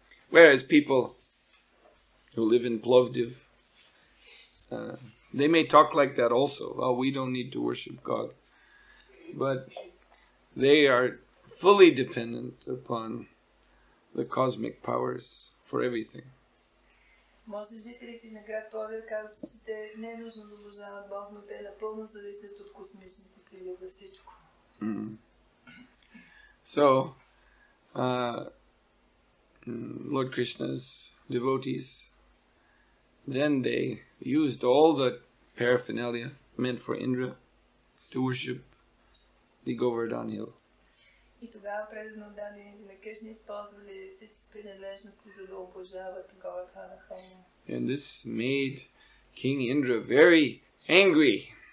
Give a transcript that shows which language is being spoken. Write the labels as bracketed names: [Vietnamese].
[English] Whereas people who live in Plovdiv, they may talk like that also. Oh, we don't need to worship God. But they are fully dependent upon the cosmic powers for everything. [Bulgarian] Може жителите на град Пловдив казват, че те не е нужно да обожават Бог, но те напълно зависят от космичните сили за всичко. [English] So, Lord Krishna's devotees, then they used all the paraphernalia meant for Indra to worship the Govardhan Hill. [Bulgarian] И тогава предано дадените на Кришна използвали всички принадлежности, за да обожават Говардхана Хъм. [English] And this made King Indra very angry.